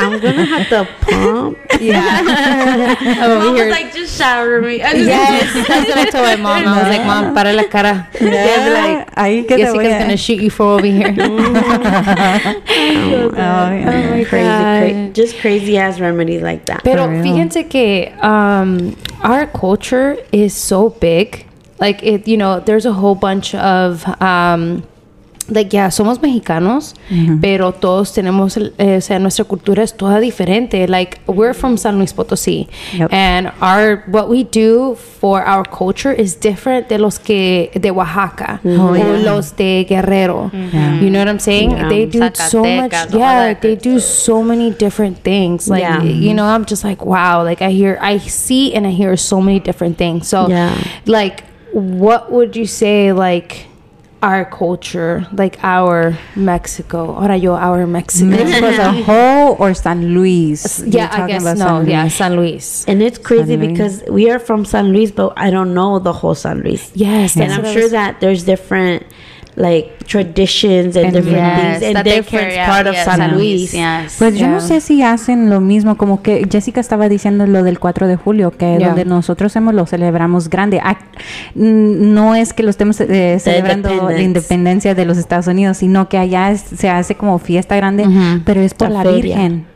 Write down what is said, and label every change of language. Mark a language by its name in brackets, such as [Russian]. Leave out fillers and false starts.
[English] I'm going to have to pump. Just crazy ass remedies like that. [Spanish] Pero fíjense que [English] our culture is so big, like, it, you know, there's a whole bunch of like, yeah, [Spanish] somos mexicanos, mm-hmm. pero todos tenemos, o sea, nuestra cultura es toda diferente. [English] Like, we're from San Luis Potosí, yep. and our what we do for our culture is different [Spanish] de los que de Oaxaca [English] mm-hmm. [Spanish] o los de Guerrero. [English] Mm-hmm. Yeah. You know what I'm saying? Yeah. They do Zacatecas, so much. Yeah, they do so many different things. Like, yeah. you know, I'm just like, wow. Like, I see and I hear so many different things. So, yeah. like, what would you say, like, our culture, like our Mexico, [Spanish] ahora yo, [English] our Mexico. Mexico as a whole or San Luis? Yeah, I guess, no, San Luis. Yeah, San Luis. And it's crazy because we are from San Luis, but I don't know the whole San Luis. Yes. And I'm sure that there's different, like, traditions and different things and different part of San Luis. Luis. Yes. [Spanish] Pues yo no sé si hacen lo mismo, como que Jessica estaba diciendo lo del 4 de julio, que donde nosotros lo celebramos grande. No es que lo estemos celebrando la independencia de los Estados Unidos, sino que allá se hace como fiesta grande, mm-hmm. pero es por la Virgen.